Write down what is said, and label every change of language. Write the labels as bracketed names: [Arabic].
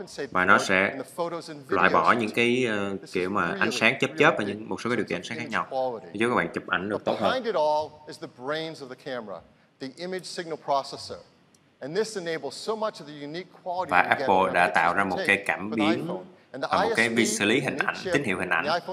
[Vietnamese] Và nó sẽ loại bỏ những cái kiểu mà ánh sáng chớp chớp và những một số cái điều kiện ánh sáng khác nhau để giúp các bạn chụp ảnh được tốt hơn. [English] Behind it all is the brains of the camera, the image signal processor, and this enables so much of the unique quality. [Vietnamese] Và Apple đã tạo ra một cái cảm biến và một cái vi xử lý hình ảnh, tín hiệu hình ảnh.